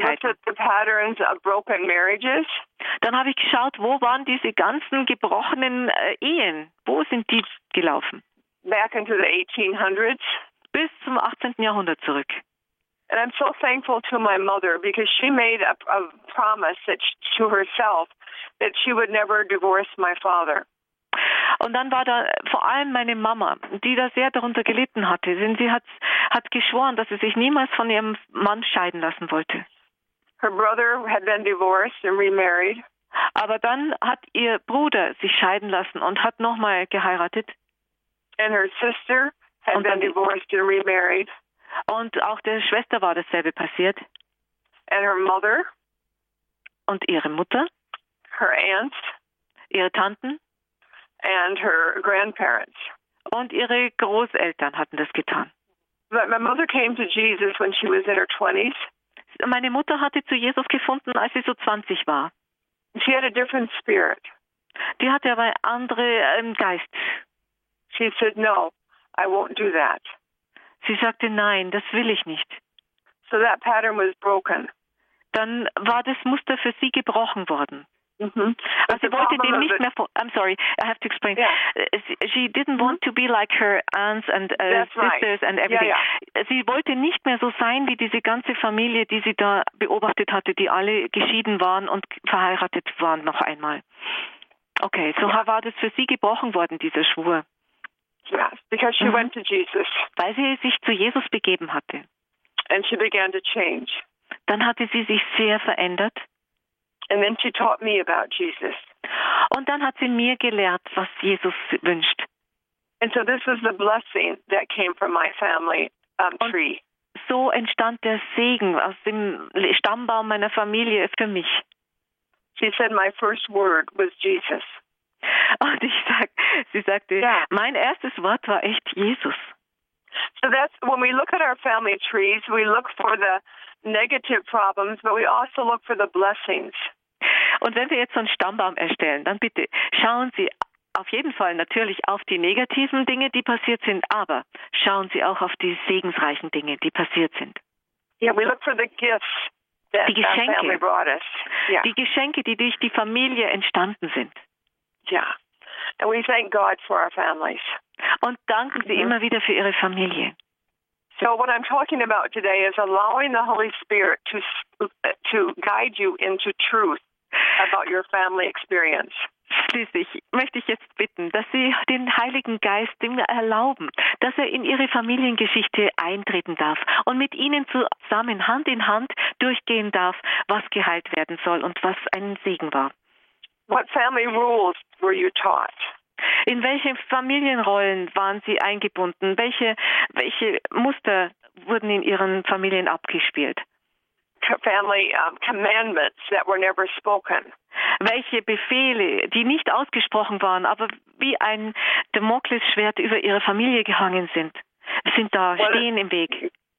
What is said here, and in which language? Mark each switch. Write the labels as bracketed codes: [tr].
[en] And I looked at the patterns of broken marriages. [de] Dann habe ich geschaut, wo waren diese ganzen gebrochenen Ehen? Wo sind die gelaufen? [en] Back into the 1800s. [de] Bis zum 18. Jahrhundert zurück. [en] And I'm so thankful to my mother because she made a promise that to herself that she would never divorce my father. [de] Und dann war da vor allem meine Mama, die da sehr darunter gelitten hatte. Denn sie hat geschworen, dass sie sich niemals von ihrem Mann scheiden lassen wollte. [en] Her brother had been divorced and remarried. [de] Aber dann hat ihr Bruder sich scheiden lassen und hat nochmal geheiratet. [en] And her sister had been divorced and remarried. [de] Und auch der Schwester war dasselbe passiert. [en] And her mother. [de] Und ihre Mutter. [en] Her aunts. [de] Ihre Tanten. [en] And her grandparents. [de] Und ihre Großeltern hatten das getan. [en] But my mother came to Jesus when she was in her 20s. [de] Meine Mutter hatte zu Jesus gefunden, als sie so 20 war. [en] She had a different spirit. [de] Die hatte aber einen anderen Geist. [en] She said, no, I won't do that. [de] Sie sagte, nein, das will ich nicht. [en] So that pattern was broken. [de] Dann war das Muster für sie gebrochen worden. Mm-hmm. Also sie wollte dem nicht mehr [en] I'm sorry, I have to explain. Yeah. She didn't want to be like her aunts and sisters right. and everything. Yeah, yeah. [de] Sie wollte nicht mehr so sein wie diese ganze Familie, die sie da beobachtet hatte, die alle geschieden waren und verheiratet waren noch einmal. [en] Okay, so yeah. [de] war das für sie gebrochen worden, dieser Schwur. [en] Yes, because she went to Jesus. [de] Weil sie sich zu Jesus begeben hatte. [en] And she began to change. [de] Dann hatte sie sich sehr verändert. [en] And then she taught me about Jesus. [de] Und dann hat sie mir gelehrt, was Jesus wünscht. [en] And so this was the blessing that came from my family tree. [de] Und so entstand der Segen aus dem Stammbaum meiner Familie für mich. [en] She said my first word was Jesus. [de] Und sie sagte, yeah. Mein erstes Wort war echt Jesus. [en] So that's when we look at our family trees, we look for the negative problems, but we also look for the blessings. [de] Und wenn wir jetzt so einen Stammbaum erstellen, dann bitte schauen Sie auf jeden Fall natürlich auf die negativen Dinge, die passiert sind, aber schauen Sie auch auf die segensreichen Dinge, die passiert sind. [en] Yeah, we look for the gifts that the family brought us. Yeah. [de] Die Geschenke, die durch die Familie entstanden sind. [en] Yeah. And we thank God for our families. [de] Und danken Sie immer wieder für Ihre Familie. [en] So what I'm talking about today is allowing the Holy Spirit to guide you into truth about your family experience. [de] Schließlich möchte ich jetzt bitten, dass Sie den Heiligen Geist erlauben, dass er in Ihre Familiengeschichte eintreten darf und mit Ihnen zusammen Hand in Hand durchgehen darf, was geheilt werden soll und was ein Segen war. [en] What family rules were you taught? [de] In welche Familienrollen waren Sie eingebunden? Welche Muster wurden in Ihren Familien abgespielt? [en] Family commandments that were never spoken. [de] Welche Befehle, die nicht ausgesprochen waren, aber wie ein Damoklesschwert über Ihre Familie gehangen sind da, stehen im Weg.